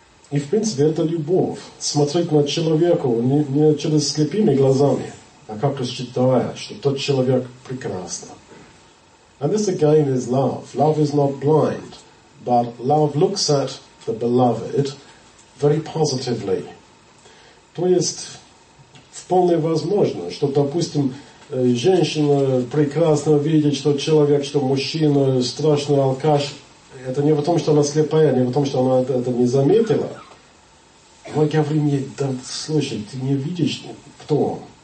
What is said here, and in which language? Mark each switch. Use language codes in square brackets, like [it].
[ru] И в принципе это любовь, смотреть на человека не через слепыми глазами, а как рассчитывая, что тот человек прекрасно. [en] And this again is love. Love is not blind. But love looks at the beloved very positively. [ru] То есть, вполне возможно, что, допустим, женщина прекрасно видит, что человек, что мужчина страшный алкаш. Это не потому, что она слепая, не потому, что она это не заметила. Мы говорим ей, да слушай, ты не видишь, кто он.